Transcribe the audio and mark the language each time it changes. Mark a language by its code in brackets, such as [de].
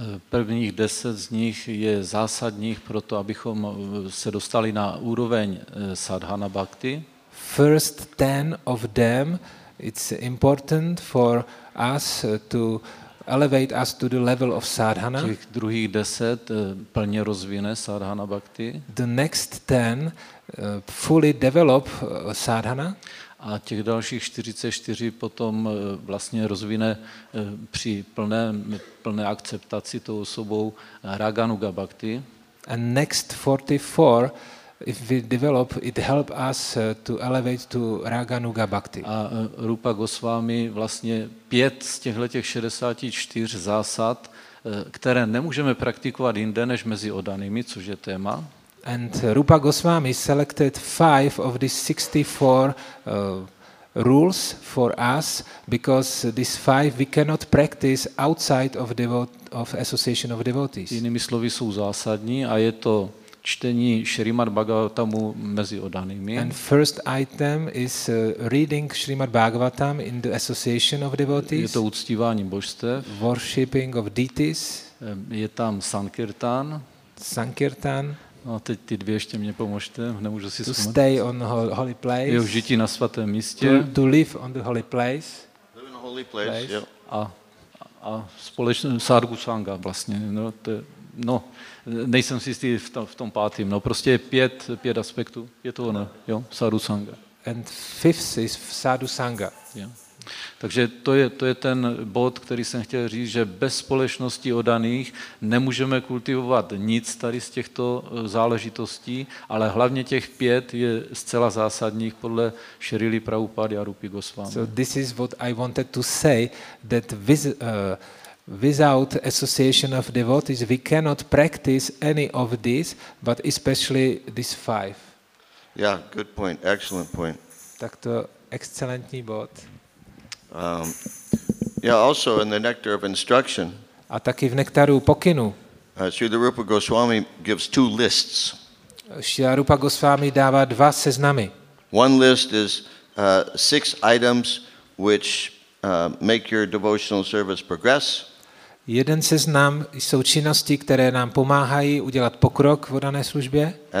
[cs] Prvních 10 z nich je zásadních pro to, abychom se dostali na úroveň sadhana bhakti. [en] First 10 of them, it's important for us to elevate us to the level of sadhana. [cs] Těch druhých 10 plně rozvine sadhana bhakti. [en] The next 10 fully develop sadhana. [cs] A těch dalších 44 potom vlastně rozvine při plné akceptaci tou osobou Raganuga Bhakti. [en] And next 44, if we develop, it help us to elevate to Raganuga Bhakti. [cs] A Rupa Goswami vlastně 5 z těchhletěch 64 zásad, které nemůžeme praktikovat jinde než mezi oddanými, což je téma. [en] And Rupa Goswami selected 5 of these 64 rules for us, because these 5 we cannot practice outside of of association of devotees. [cs] Jinými slovy, jsou zásadní a je to čtení Srimad Bhagavatamu mezi oddanými. [en] And first item is reading Srimad Bhagavatam in the association of devotees. [cs] Je to uctívání božstev. [en] Worshipping of deities. [cs] Je tam sankirtan. [en] Sankirtan. [cs] No, teď ty dvě ještě mě pomožte, nemůžu si vzpomenout. [en] To stay on holy place. [cs] Je užití na svatém místě. [en] To live on the holy place. Live in a holy place, yeah. [cs] A společně sadhu sangha vlastně, no, to je, no, nejsem si jistý v tom pátým, no, prostě pět aspektů, je to ono, jo, sadhu sangha. [en] And fifth is sadhu sangha. Yeah. [cs] Takže to je ten bod, který jsem chtěl říct, že bez společnosti oddaných nemůžeme kultivovat nic tady z těchto záležitostí, ale hlavně těch 5 je zcela zásadních podle Šrily Prabhupády a Rupy Goswami. [en] So this is what I wanted to say, that without association of devotees we cannot practice any of this, but especially this 5. Yeah, good point, excellent point. [cs] Tak to excelentní bod. [en] Yeah, also in the nectar of instruction. [cs] A taky v nektaru pokynu. [en] Srila Rupa Goswami gives two lists. [cs] Srila Rupa Goswami dává dva seznamy. [en] One list is six items which make your devotional service progress. [cs] Jeden seznam jsou činnosti, které nám pomáhají udělat pokrok v dané službě.